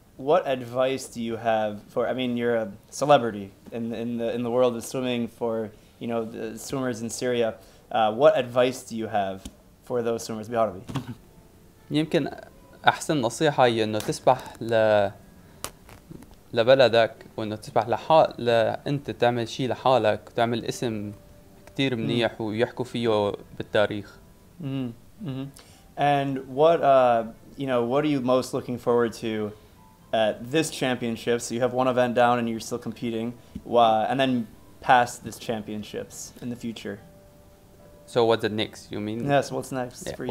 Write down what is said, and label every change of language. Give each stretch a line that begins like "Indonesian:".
English: What advice do you have for? I mean, you're a celebrity in the world of swimming for, you know, the swimmers in Syria. What advice do you have for those swimmers
Arabic: بالعربي؟ يمكن احسن نصيحه هي انه تسبح لبلدك وانه تسبح انت تعمل شيء لحالك وتعمل اسم كثير منيح ويحكوا فيه بالتاريخ.
English: And what you know, what are you most looking forward to at this championship? So you have one event down and you're still competing, and then past this championships in the future. So what's the next, you mean? Yes, what's next for you?